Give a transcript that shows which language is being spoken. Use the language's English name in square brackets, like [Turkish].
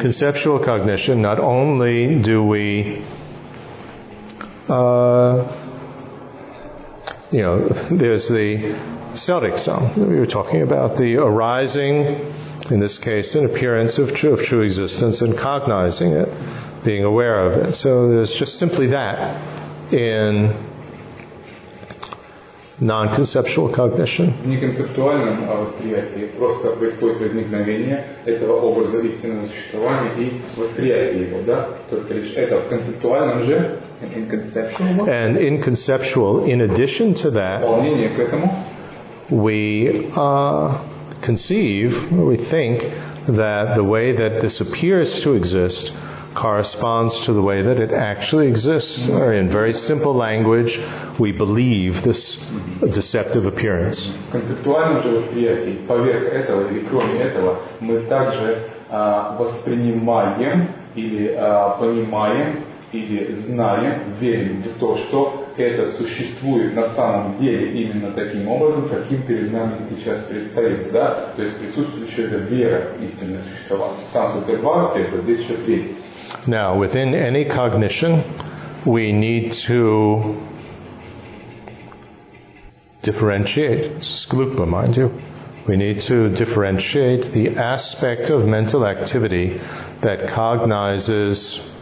[English] Conceptual cognition, not only do we there's the Celtic song that we were talking about, the arising, in this case, an appearance of true existence and cognizing it. Being aware of it. So there's just simply that in non-conceptual cognition. [Russian] Не концептуальном восприятии, просто происходит возникновение этого образа истинного существования и восприятие его, да? Только лишь это в концептуальном же, [English] in conceptual. And in conceptual, in addition to that, [Russian] дополнение к этому, [English] we conceive, or we think, that the way that this appears to exist corresponds to the way that it actually exists. Or in very simple language, we believe this deceptive appearance. [Russian] Концептуальное же восприятие, поверх этого или кроме этого, мы также воспринимаем или понимаем или знаем, верим в то, что это существует на самом деле именно таким образом, каким перед нами сейчас предстоит, да? То есть присутствует еще эта вера истинное существование. Там только два аспекта, здесь еще три. [English] Now, within any cognition, we need to differentiate, sklupa, mind you, we need to differentiate the aspect of mental activity that cognizes